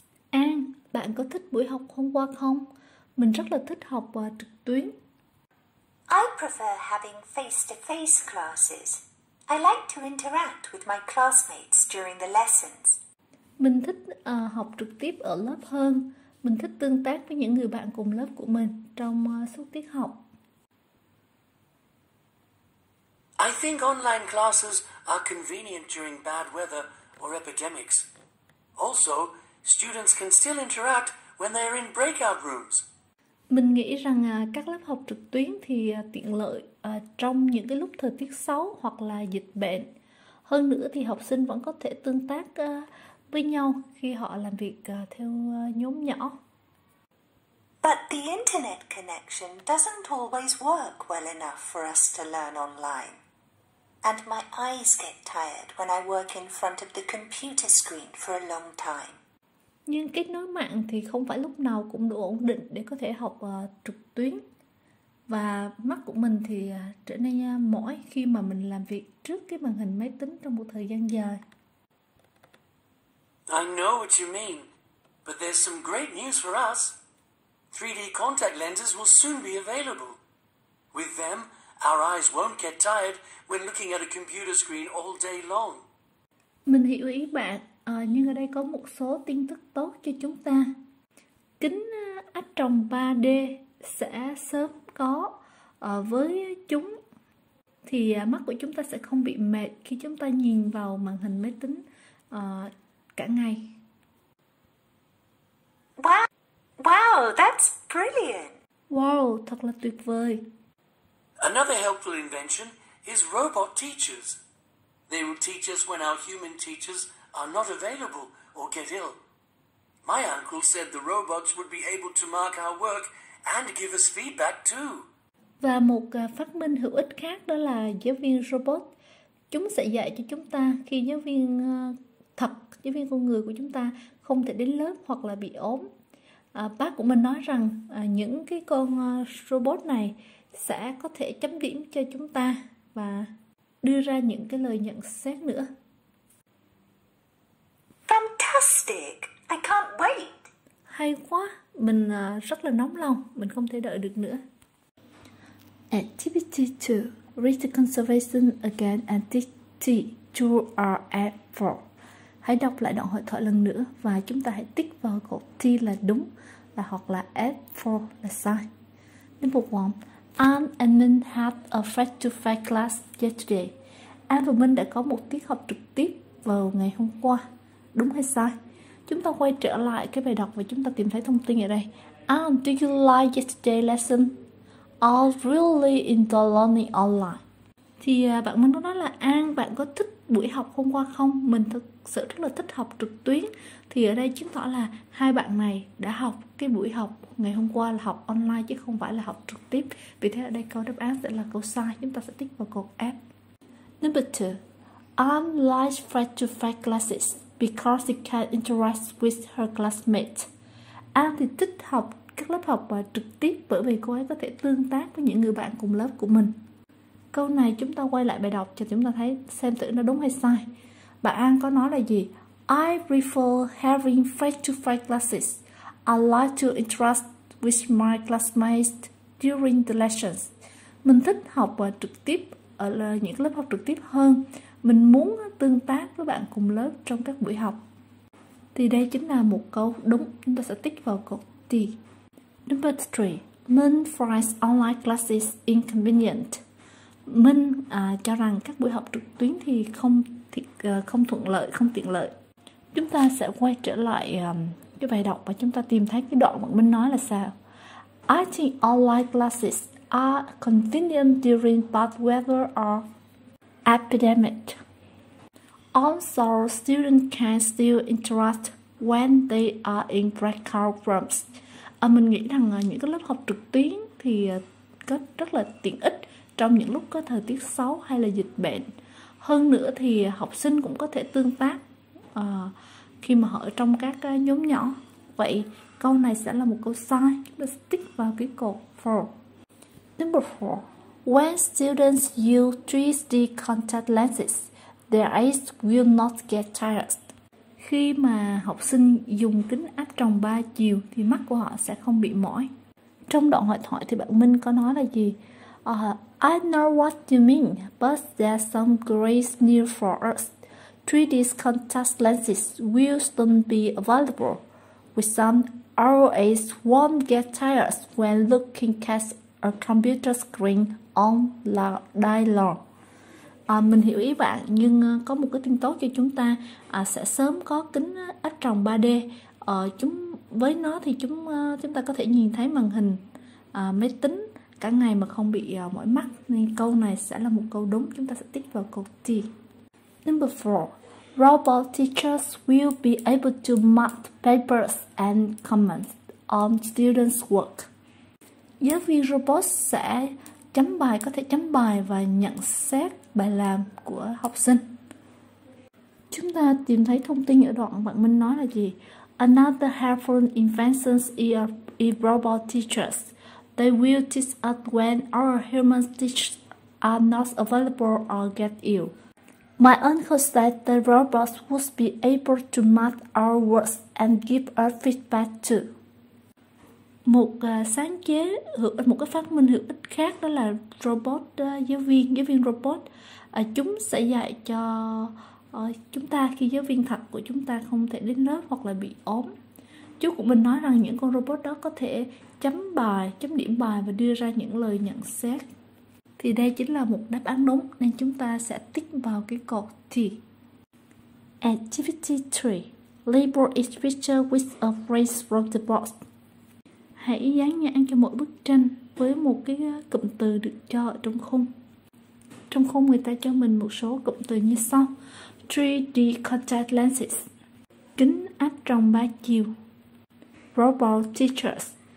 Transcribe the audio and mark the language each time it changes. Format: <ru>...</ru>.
<vi>Anne, bạn có thích buổi học hôm qua không? Mình rất là thích học trực tuyến.</vi> <en>I prefer having face-to-face classes. I like to interact with my classmates during the lessons.</en> <vi>Mình thích học trực tiếp ở lớp hơn. Mình thích tương tác với những người bạn cùng lớp của mình trong suốt tiết học.</vi> <en>I think online classes are convenient during bad weather or epidemics. Also, students can still interact when they are in breakout rooms.</en> <vi>Mình nghĩ rằng các lớp học trực tuyến thì tiện lợi trong những cái lúc thời tiết xấu hoặc là dịch bệnh. Hơn nữa thì học sinh vẫn có thể tương tác với nhau khi họ làm việc theo nhóm nhỏ.</vi> <en>But the internet connection doesn't always work well enough for us to learn online. And my eyes get tired when I work in front of the computer screen for a long time.</en> <vi>Nhưng kết nối mạng thì không phải lúc nào cũng đủ ổn định để có thể học trực tuyến. Và mắt của mình thì trở nên mỏi khi mà mình làm việc trước cái màn hình máy tính trong một thời gian dài.</vi> <en>I know what you mean, but there's some great news for us. 3D contact lenses will soon be available. With them, our eyes won't get tired when looking at a computer screen all day long.</en> <vi>Mình hiểu ý bạn, nhưng ở đây có một số tin tức tốt cho chúng ta. Kính áp tròng 3D sẽ sớm có với chúng. Thì mắt của chúng ta sẽ không bị mệt khi chúng ta nhìn vào màn hình máy tính cả ngày.</vi> <en>Wow, that's brilliant.</en> <vi>Wow, thật là tuyệt vời.</vi> <en>Another helpful invention is robot teachers. They will teach us when our human teachers are not available or get ill. My uncle said the robots would be able to mark our work and give us feedback too.</en> <vi>Và một phát minh hữu ích khác đó là giáo viên robot. Chúng sẽ dạy cho chúng ta khi giáo viên thật, giáo viên con người của chúng ta không thể đến lớp hoặc là bị ốm. Bác của mình nói rằng những cái con robot này sẽ có thể chấm điểm cho chúng ta và đưa ra những cái lời nhận xét nữa.</vi> <en>Fantastic! I can't wait!</en> <vi>Hay quá! Mình rất là nóng lòng, mình không thể đợi được nữa.</vi> <en>Activity 2. Read conservation again and teach tea to our effort.</en> <vi>Hãy đọc lại đoạn hội thoại lần nữa và chúng ta hãy tích vào câu T là đúng và hoặc là F for là sai.</vi> <en>Number 1. Anne and Minh had a face-to-face class yesterday.</en> <vi>Anne và Minh đã có một tiết học trực tiếp vào ngày hôm qua. Đúng hay sai? Chúng ta quay trở lại cái bài đọc và chúng ta tìm thấy thông tin ở đây.</vi> <en>Anne, do you like yesterday's lesson? I really enjoy learning online.</en> <vi>Thì bạn Minh có nói là Anne, bạn có thích buổi học hôm qua không? Mình thật sự rất là thích học trực tuyến. Thì ở đây chứng tỏ là hai bạn này đã học cái buổi học ngày hôm qua là học online chứ không phải là học trực tiếp. Vì thế ở đây câu đáp án sẽ là câu sai. Chúng ta sẽ tích vào câu F.</vi> <en>Number 2. Anne likes face-to-face classes because she can interact with her classmates.</en> <vi>Anne thì thích học các lớp học trực tiếp bởi vì cô ấy có thể tương tác với những người bạn cùng lớp của mình. Câu này chúng ta quay lại bài đọc cho chúng ta thấy xem thử nó đúng hay sai. Bạn An có nói là gì?</vi> <en>I prefer having face-to-face classes. I like to interact with my classmates during the lessons.</en> <vi>Mình thích học trực tiếp ở những lớp học trực tiếp hơn. Mình muốn tương tác với bạn cùng lớp trong các buổi học. Thì đây chính là một câu đúng. Chúng ta sẽ tích vào câu T.</vi> <en>Number 3. Minh finds online classes inconvenient.</en> <vi>Minh cho rằng các buổi học trực tuyến thì không thuận lợi, không tiện lợi. Chúng ta sẽ quay trở lại cái bài đọc và chúng ta tìm thấy cái đoạn mà Minh nói là sao.</vi> <en>I think online classes are convenient during bad weather or epidemic. Also, students can still interact when they are in breakout rooms.</en> <vi>Mình nghĩ rằng những cái lớp học trực tuyến thì có rất là tiện ích trong những lúc có thời tiết xấu hay là dịch bệnh. Hơn nữa thì học sinh cũng có thể tương tác khi mà họ ở trong các nhóm nhỏ. Vậy câu này sẽ là một câu sai. Chúng ta stick vào cái câu 4.</vi> <en>Number 4. When students use 3D contact lenses, their eyes will not get tired.</en> <vi>Khi mà học sinh dùng kính áp tròng 3 chiều thì mắt của họ sẽ không bị mỏi. Trong đoạn hội thoại thì bạn Minh có nói là gì?</vi> <en>I know what you mean, but there's some great news for us. 3D contact lenses will soon be available. With some, our eyes won't get tired when looking at a computer screen on the day long.</en> <vi>Mình hiểu ý bạn, nhưng có một cái tin tốt cho chúng ta sẽ sớm có kính áp tròng 3D. Với nó thì chúng ta có thể nhìn thấy màn hình máy tính cả ngày mà không bị mỏi mắt. Nên câu này sẽ là một câu đúng. Chúng ta sẽ tích vào câu T.</vi> <en>Number 4. Robot teachers will be able to mark papers and comments on students' work.</en> <vi>Giáo viên robot sẽ chấm bài, có thể chấm bài và nhận xét bài làm của học sinh. Chúng ta tìm thấy thông tin ở đoạn bạn Minh nói là gì?</vi> <en>Another helpful invention is robot teachers. They will teach us when our human teachers are not available or get ill. My uncle said the robots would be able to mark our words and give us feedback too.</en> <vi>Một cái phát minh hữu ích khác đó là robot giáo viên robot. Chúng sẽ dạy cho chúng ta khi giáo viên thật của chúng ta không thể đến lớp hoặc là bị ốm. Chú của mình nói rằng những con robot đó có thể chấm bài, chấm điểm bài và đưa ra những lời nhận xét. Thì đây chính là một đáp án đúng, nên chúng ta sẽ tích vào cái cột T.</vi> <en>Activity 3. Label each picture with a phrase from the box.</en> <vi>Hãy dán nhãn cho mỗi bức tranh với một cái cụm từ được cho ở trong khung. Trong khung người ta cho mình một số cụm từ như sau:</vi> <en>3D contact lenses,</en> <vi>kính áp tròng 3 chiều,</vi> <en>robot teachers,</en>